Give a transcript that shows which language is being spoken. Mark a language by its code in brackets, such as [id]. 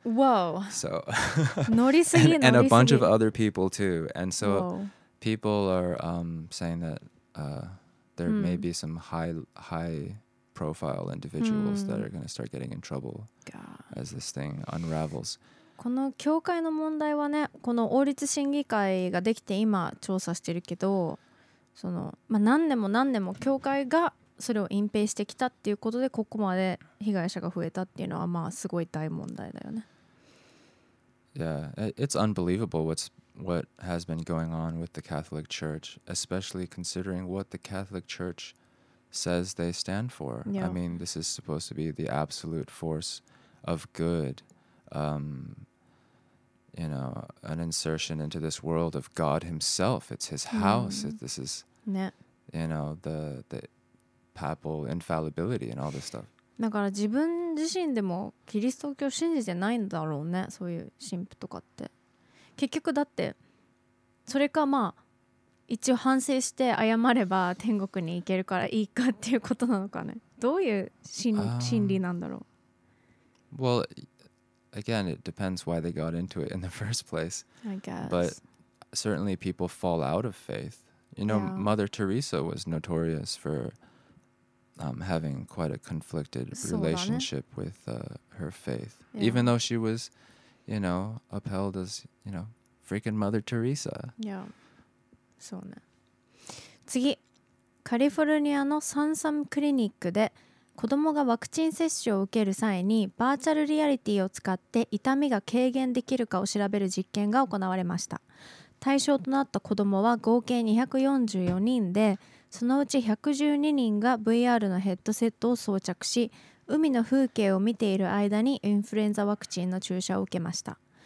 [en] Whoa. So, and a bunch of other people too. And so people are saying that there may be some high profile individuals that are going to start getting in trouble as this thing unravels. [ja] この教会の問題はね、この王立審議会ができて今調査してるけど、その、まあ、何年も何年も教会がそれを隠蔽してきたっていうことでここまで被害者が増えたっていうのはまあすごい大問題だよね。 [en] Yeah, it's unbelievable what has been going on with the Catholic Church, especially considering what the Catholic Church says they stand for. Yeah. I mean, this is supposed to be the absolute force of good, you know, an insertion into this world of God himself. It's his house. Mm. This is, you know, the papal infallibility and all this stuff. [ja] だから自分自身でもキリスト教信じてないんだろうね、そういう神父とかって。結局だってそれか、まあ一応反省して謝れば天国に行けるからいいかっていうことなのかね。どういう心理なんだろう。 [en] Well, again, it depends why they got into it in the first place. I guess. But certainly people fall out of faith. You know,、yeah. Mother Teresa was notorious forfor having quite a conflicted relationship with her faith. Yeah. Even though she was, you know, upheld as, you know, freaking Mother Teresa. Yeah. [ja] そうね。次、カリフォルニアのサンサムクリニックで子供がワクチン接種を受ける際にバーチャルリアリティを使って痛みが軽減できるかを調べる実験が行われました。対象となった子供は合計244人で、そのうち112人が VR のヘッドセットを装着し、海の風景を見ている間にインフルエンザワクチンの注射を受けました。